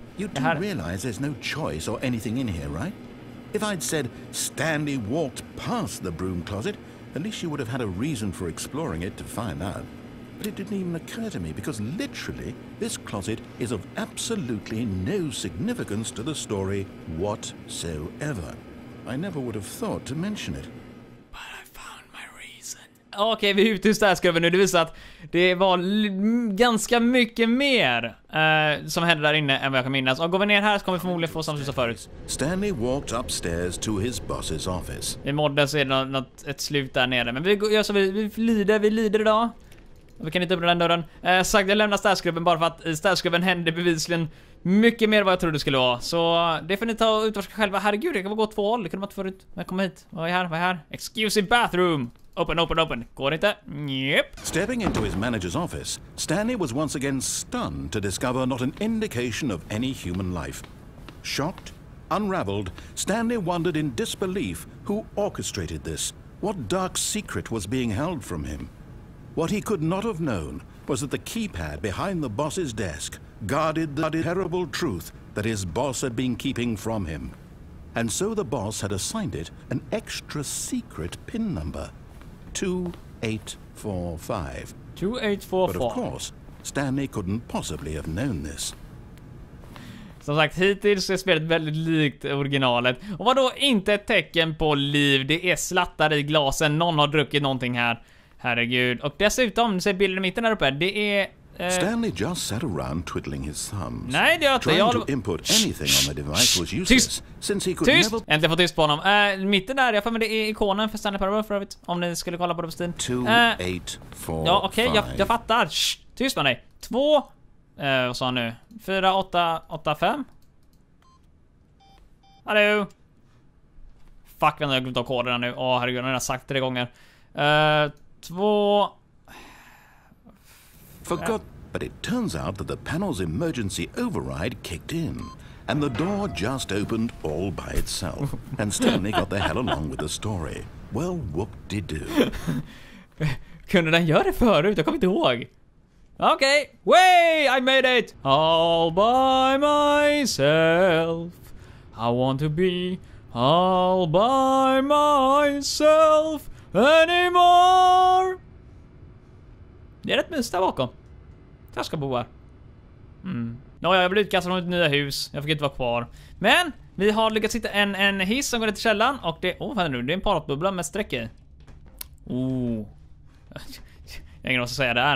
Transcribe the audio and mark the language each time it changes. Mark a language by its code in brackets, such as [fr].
[en] You do realize there's no choice or anything in here, right? If I'd said Stanley walked past the broom closet, at least you would have had a reason for exploring it to find out. But it didn't even occur to me, because literally, this closet is of absolutely no significance to the story whatsoever. I never would have thought to mention it. But I found my reason. [sv] Okej, vi är ute i stadsgruppen nu. Det visar att det var ganska mycket mer som hände där inne än vad jag kan minnas. Och går vi ner här så kommer vi förmodligen få samtidigt som förut. [en] Stanley walked upstairs to his boss's office. [sv] I modden så är det något, ett slut där nere. Men vi lider idag. Och vi kan inte öppna den dörren. Sagt, jag lämnar stadsgruppen bara för att i stadsgruppen hände bevisligen mycket mer än vad jag trodde det skulle vara. Så det får ni ta och utforska själva. Herregud, det kan vara gått två håll. Det kunde man inte förut. Men kom hit. Vad är här? Vad är här? [en] Excuse me, bathroom. Open, open, open. [sv] Går inte? [en] Yep. Stepping into his manager's office, Stanley was once again stunned to discover not an indication of any human life. Shocked, unraveled, Stanley wondered in disbelief who orchestrated this. What dark secret was being held from him? What he could not have known was that the keypad behind the boss's desk guarded the terrible truth that his boss had been keeping from him. And so the boss had assigned it an extra secret PIN number. 2845. But of course, Stanley couldn't possibly have known this. [sv] Som sagt, hittills är spelet väldigt likt originalet. Och vadå, inte ett tecken på liv. Det är slattar i glasen. Någon har druckit någonting här. Herregud. Och dessutom, ser bilden i mitten här uppe. Det är... [en] Stanley just sat around twiddling his thumbs. [sv] Nej, det gör inte. [en] Trying to input anything on the device was useless. Since he could [sv] tyst! [en] Never... [sv] Äntligen få tyst på honom. Mitten där, jag får med det ikonen för Stanley Parable, för övrigt. Om ni skulle kolla på det på Steam. 2845. Ja, okej, jag fattar. Tyst med dig. 2... vad sa han nu? 4885. Hallå. Fuck, vänta, jag har glömt av koderna nu. Åh, herregud, jag har sagt tre gånger. 2... [en] Forgot, but it turns out that the panel's emergency override kicked in, and the door just opened all by itself, and Stanley got the hell along with the story. Well, whoop-de-doo. [sv] Kunde den göra det förut? Jag kommer inte ihåg. [en] Okej, way, I made it! All by myself, I want to be all by myself anymore! [sv] Det är rätt mys där bakom. Jag ska bo här. Nåja, jag blev utkastad från ett nya hus. Jag fick inte vara kvar. Men vi har lyckats hitta en hiss som går ner till källaren. Och det... Åh, vad är det nu? Det är en paratbubbla med streck i. Jag har ingen att säga där.